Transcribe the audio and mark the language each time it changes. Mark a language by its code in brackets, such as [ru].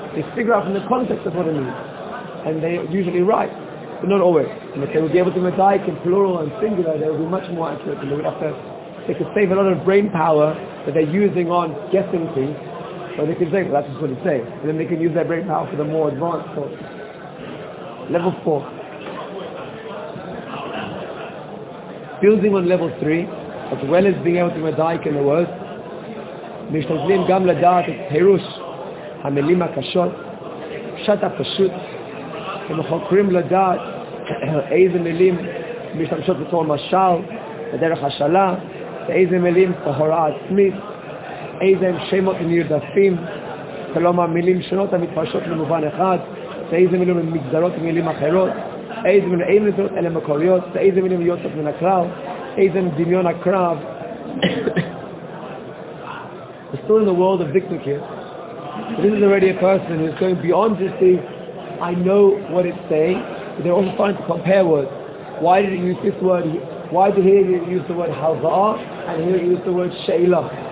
[en] They figure out from the context of what it means. And they're usually right, but not always. And if they would be able to dice in plural and singular, they would be much more accurate than they would have to. They could save a lot of brain power that they're using on guessing things. But they can say, well, that's just what it's saying. And then they can use their brain power for the more advanced thoughts. Level 4. Building on level 3, as well as being able to medayek in the words, [he] משתדלים גם לדעת את פירוש המילים הקשות, פשט הפשוט, הם חוקרים לדעת איזה מילים משתמשות בתור משל, בדרך השאלה, ואיזה מילים בהוראה עצמית, איזה הם שמות נרדפים, כלומר מילים שונות המתפרשות במובן אחד, ואיזה מילים הם מגדרות מילים אחרות, איזה מילים אין לזה אלה מקוריות, ואיזה מילים יוצאות מן הכלל, איזה הם דמיון הקרב. [en] We're still in the world of Victor here. This is already a person who's going beyond just the I know what it's saying, but they're also trying to compare words. Why did it use this word? Why did he use the word Havaa, and he used the word Sheila?